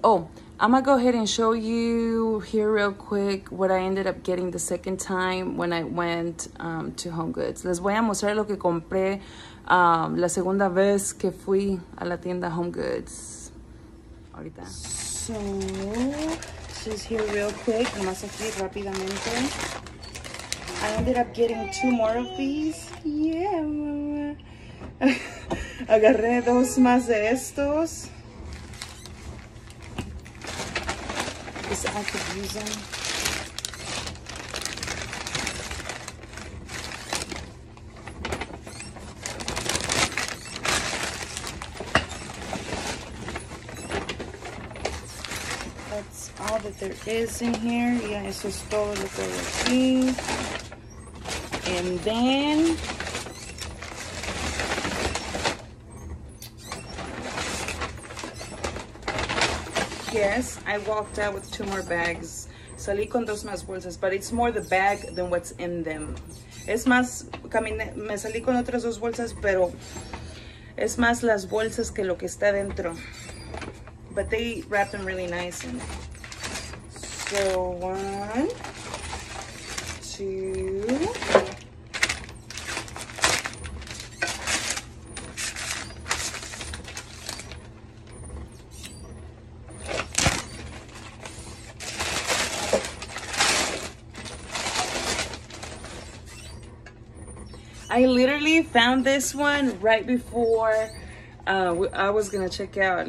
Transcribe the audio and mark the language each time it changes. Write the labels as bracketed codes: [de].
[en] Oh, I'm gonna go ahead and show you here real quick what I ended up getting the second time when I went to HomeGoods. [es] Les voy a mostrar lo que compré la segunda vez que fui a la tienda HomeGoods. Ahorita. [en] So, just here real quick. [es] Más aquí rápidamente. [en] I ended up getting two more of these. [es] Yeah. Agarré dos más de estos. [en] I could use them. That's all that there is in here. [es] Yeah, eso es todo lo que hay aquí. [en] And then yes, I walked out with two more bags. [es] Salí con dos más bolsas, [en] but it's more the bag than what's in them. [es] Es más, me salí con otras dos bolsas, pero es más las bolsas que lo que está dentro. [en] But they wrap them really nice. And so, one, two, I literally found this one right before I was gonna check out.